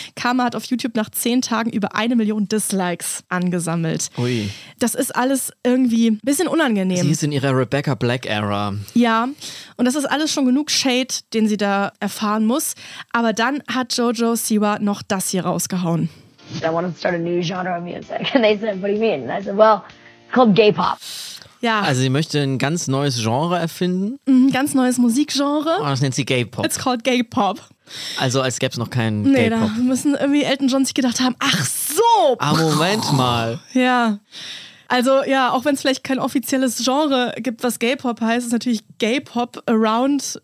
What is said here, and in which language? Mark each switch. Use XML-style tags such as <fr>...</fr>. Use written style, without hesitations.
<de>Karma hat auf YouTube nach 10 Tagen über 1 Million Dislikes angesammelt. Ui. Das ist alles irgendwie ein bisschen unangenehm. Sie ist in ihrer Rebecca Black Era. Ja, und das ist alles schon genug Shade, den sie da erfahren muss. Aber dann hat JoJo Siwa noch das hier rausgehauen.</de> <en>I wanted to start a new genre of music. And they said, what do you mean? And I said, well, it's called J-Pop.</en> <de>Ja. Also sie möchte ein ganz neues Genre erfinden. Ein ganz neues Musikgenre. Oh, das nennt sie J-Pop.</de> <en>It's called J-Pop.</en> <de>Also als gäbe es noch keinen J-Pop. Nee, da müssen irgendwie Elton John sich gedacht haben, ach so. Ah, Moment mal. Ja. Also ja, auch wenn es vielleicht kein offizielles Genre gibt, was J-Pop heißt, ist natürlich J-Pop around</de>